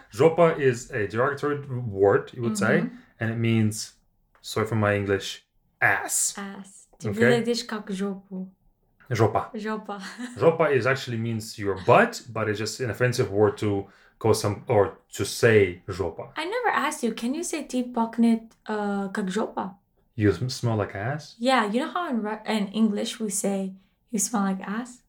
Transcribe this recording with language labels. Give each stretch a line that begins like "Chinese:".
English: Жопа is a derogatory word, you would say, and it means, sorry for my English, ass.
Russian: Ass. Ты выглядишь как жопу. Jopa. Jopa.
English: Jopa is actually means your butt, but it's just an offensive word to go some or to say jopa. I never asked you, can you say
Russian: ti pachnet как jopa?
English: You smell like ass? Yeah, you know how in English we say you smell like ass?